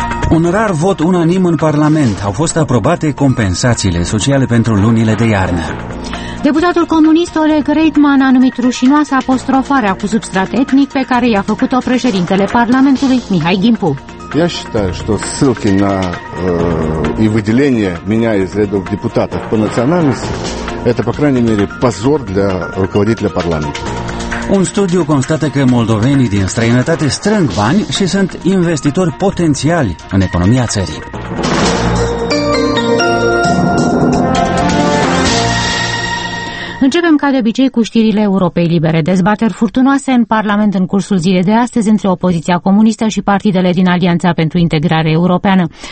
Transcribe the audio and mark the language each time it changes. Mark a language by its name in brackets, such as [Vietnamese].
[Romanian] Un rar vot unanim în Parlament. Au fost aprobate compensațiile sociale pentru lunile de iarnă. Deputatul comunist Oleg Reitman a numit rușinoasă apostrofarea cu substrat etnic pe care i-a făcut-o președintele Parlamentului Mihai Ghimpu. [Russian] Я считаю, что ссылки на и выделение меня из рядов депутатов по национальности это, по крайней мере, позор для руководителя парламента. [Romanian] Un studiu constată că moldovenii din străinătate strâng bani și sunt investitori potențiali în economia țării. Începem ca de obicei cu știrile Europei Libere. Dezbateri furtunoase în Parlament în cursul zilei de astăzi între opoziția comunistă și partidele din Alianța pentru Integrare Europeană.